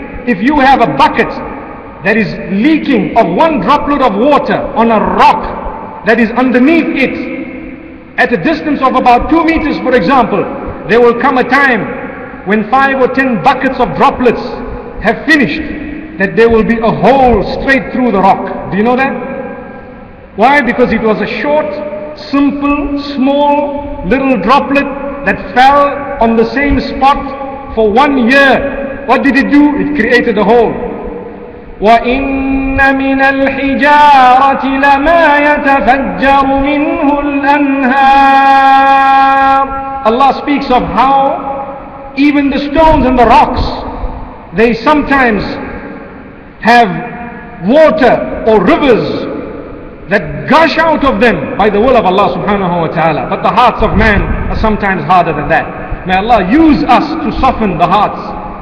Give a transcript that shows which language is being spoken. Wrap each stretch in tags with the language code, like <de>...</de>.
<en>If you have a bucket that is leaking of one droplet of water on a rock that is underneath it at a distance of about 2 meters, for example, there will come a time when 5 or 10 buckets of droplets have finished, that there will be a hole straight through the rock. Do you know that? Why? Because it was a short, simple, small, little droplet that fell on the same spot for 1 year. What did it do? It created a hole.</en> <ar>وَإِنَّ من الحجارة لما يتفجر منه الأنهار.</ar> <en>Allah speaks of how even the stones and the rocks, they sometimes have water or rivers that gush out of them by the will of Allah subhanahu wa ta'ala. But the hearts of man are sometimes harder than that. May Allah use us to soften the hearts.</en>